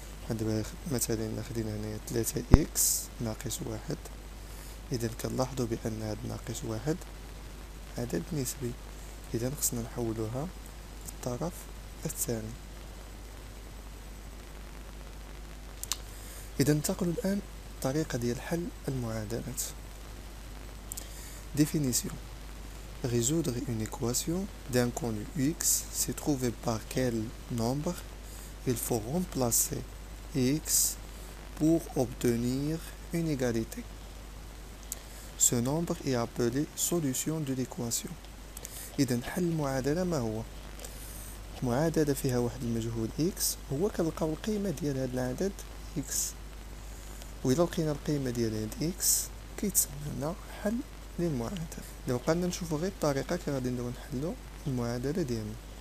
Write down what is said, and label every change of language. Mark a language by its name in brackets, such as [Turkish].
[Arabic] دابا مثلا الا خدينا هنايا 3 اكس ناقص 1، اذا كنلاحظوا بان هذا ناقص 1 عدد نسبي، اذا خصنا نحولوها للطرف الثاني. اذا ننتقل الان طريقه ديال حل المعادلات. [French] ديفينيسيون: résoudre une équation d'inconnu x, c'est trouver par quel nombre il faut remplacer x pour obtenir une égalité. Ce nombre est appelé solution de l'équation. [Arabic] إذن حل المعادلة ما هو؟ معادلة فيها واحد المجهول x، هو كنلقاو القيمة ديال هاد العدد x، وإذا لقينا القيمة ديال هاد x كيتسمى لنا حل للمعادلة. لو قلنا نشوفو غير الطريقة كي غادي نبداو نحلو المعادلة ديالنا.